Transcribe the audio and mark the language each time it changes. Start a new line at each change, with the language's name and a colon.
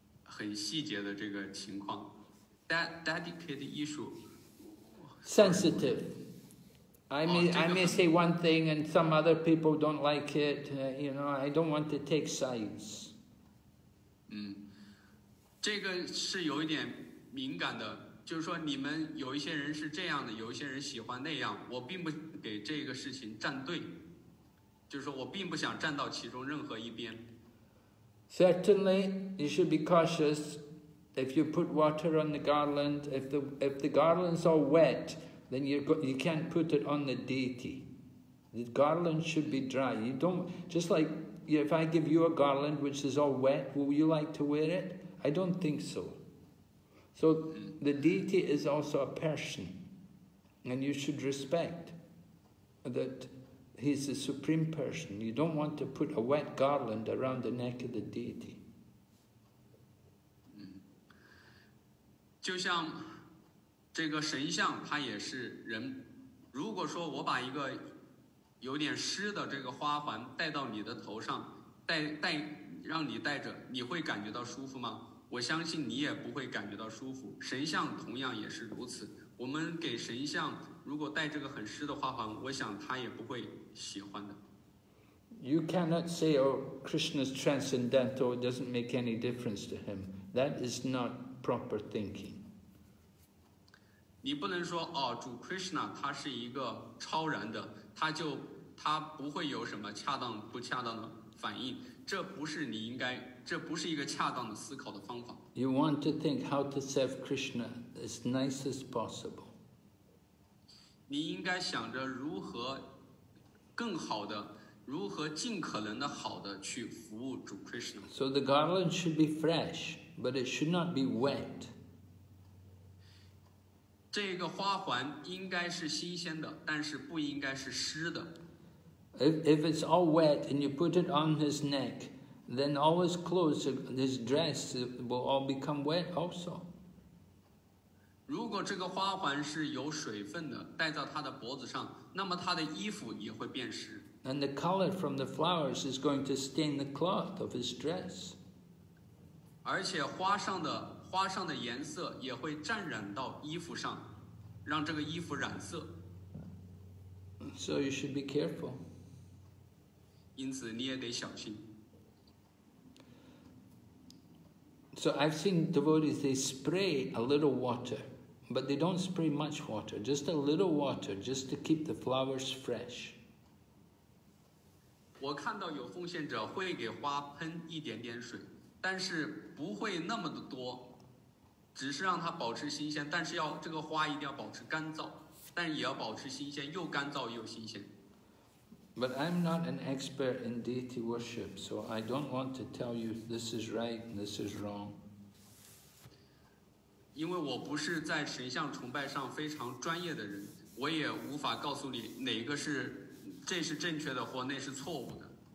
Chinese: 我不太想涉及到这个里面的很细节的这个情况.
English: That delicate issue. Sensitive. I may say one thing and some other people don't like it. I don't want to take sides.
Chinese: 这个是有一点敏感的，就是说你们有一些人是这样的，有一些人喜欢那样。我并不给这个事情站队，就是说我并不想站到其中任何一边。
English: Certainly, you should be cautious. If you put water on the garland, if the garland's all wet, then you can't put it on the deity. The garland should be dry. You don't, just like if I give you a garland which is all wet, will you like to wear it? I don't think so. So the deity is also a person, and you should respect that he's the supreme person. You don't want to put a wet garland around the neck of the deity.
Chinese: 就像这个神像，它也是人。如果说我把一个有点湿的这个花环戴到你的头上，让你戴着，你会感觉到舒服吗？我相信你也不会感觉到舒服。神像同样也是如此。我们给神像，如果带这个很湿的花环，我想他也不会喜欢的。
English: You cannot say, "Oh, Krishna's transcendental; it doesn't make any difference to him." That is not proper thinking.
Chinese: 你不能说哦，主 Krishna 他是一个超然的，他不会有什么恰当不恰当的反应。这不是你应该，这不是一个恰当的思考的方法。
English: You want to think how to serve Krishna as nice as possible.
Chinese: 你应该想着如何更好的。如何尽可能的好的去服务主 Krishna?
English: So the garland should be fresh, but it should not be wet.
Chinese: 这个花环应该是新鲜的，但是不应该是湿的。
English: If it's all wet and you put it on his neck, then all his clothes, his dress will all become wet also.
Chinese: 如果这个花环是有水分的，戴在他的脖子上，那么他的衣服也会变湿。
English: And the color from the flowers is going to stain the cloth of his dress.
Chinese: 而且花上的颜色也会沾染到衣服上，让这个衣服染色。
English: So you should be careful.
Chinese: 因此你也得小心。
English: So I've seen devotees, they spray a little water, but they don't spray much water, just a little water, just to keep the flowers fresh.
Chinese: 我看到有奉献者会给花喷一点点水，但是不会那么的多，只是让它保持新鲜。但是要这个花一定要保持干燥，但也要保持新鲜，又干燥又新鲜。
English: But I'm not an expert in deity worship, so I don't want to tell you this is right, this is wrong.
Chinese: 因为我不是在神像崇拜上非常专业的人，我也无法告诉你哪个是。这是正确的，或那是错误的。